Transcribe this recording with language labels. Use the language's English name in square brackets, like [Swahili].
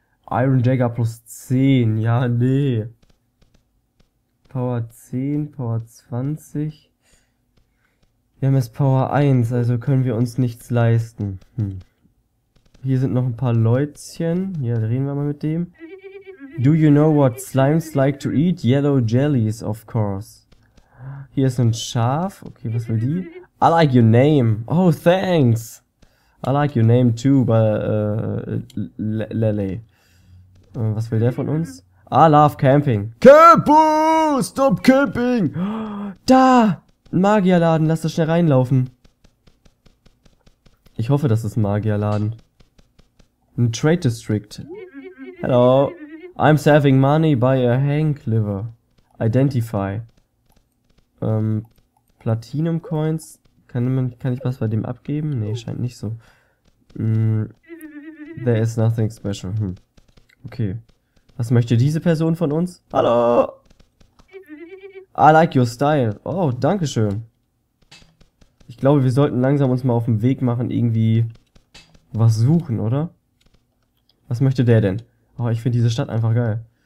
[German] Iron Dagger plus 10. Ja, nee. Power 10, Power 20. Wir haben jetzt Power 1, also können wir uns nichts leisten. Hm. Hier sind noch ein paar Leutchen. Ja, reden wir mal mit dem. [English] Do you know what slimes like to eat? Yellow jellies, of course. [German] Hier ist ein Schaf. Okay, was will die? [English] I like your name. Oh, thanks. I like your name too, but, Lele. [German] Was will der von uns? [English] I love camping. [German] Campo! [English] Stop camping! [German] Da! Ein Magierladen. Lass das schnell reinlaufen. Ich hoffe, das ist ein Magierladen. Ein Trade District. Hello. [English] I'm saving money by a hang cleaver. Identify. Platinum Coins. [German] Kann ich was bei dem abgeben? Nee, scheint nicht so. [English] Mm, there is nothing special. Hm. Okay. [German] Was möchte diese Person von uns? Hallo! [English] I like your style. [German] Oh, danke schön. Ich glaube, wir sollten langsam uns mal auf den Weg machen, irgendwie was suchen, oder? Was möchte der denn? Oh, ich finde diese Stadt einfach geil.